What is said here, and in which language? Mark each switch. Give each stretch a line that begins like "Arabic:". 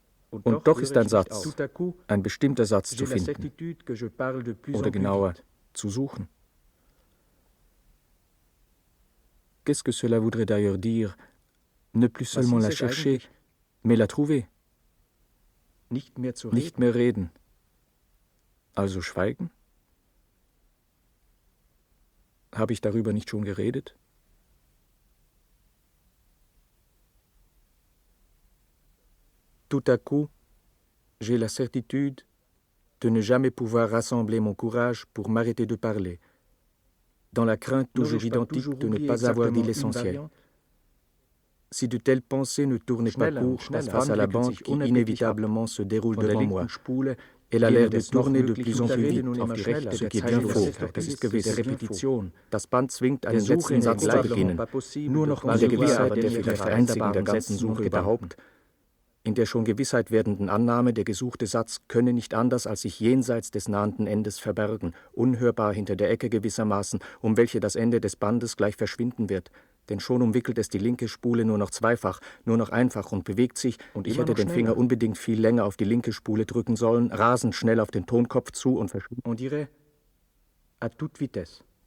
German: Und doch ist ein Satz, ein bestimmter Satz zu finden, oder genauer, zu suchen.
French: Qu'est-ce que cela voudrait d'ailleurs dire, ne plus seulement la chercher, mais la trouver?
German: Nicht mehr zu reden. Nicht mehr reden. Also schweigen? Habe ich darüber nicht schon geredet?
French: Tout à coup, j'ai la certitude de ne jamais pouvoir rassembler mon courage pour m'arrêter de parler. Dans la crainte toujours identique de ne pas avoir dit l'essentiel. Si de telles pensées ne tournaient pas court face à la bande qui inévitablement se déroule devant moi, elle a l'air de tourner de plus en plus vite
German: auf die rechte,
French: ce qui est bien faux,
German: das ist gewiss, der Repetition, das Band zwingt einen letzten Satz zu beginnen, nur noch mal der Gewissheit, der vielleicht einzige in der ganzen Suche überhaupt, in der schon Gewissheit werdenden Annahme, der gesuchte Satz könne nicht anders als sich jenseits des nahenden Endes verbergen, unhörbar hinter der Ecke gewissermaßen, um welche das Ende des Bandes gleich verschwinden wird. Denn schon umwickelt es die linke Spule nur noch zweifach, nur noch einfach und bewegt sich, und ich hätte den Finger unbedingt viel länger auf die linke Spule drücken sollen, rasend schnell auf den Tonkopf zu und verschwinden.
French: On dirait à toute vitesse.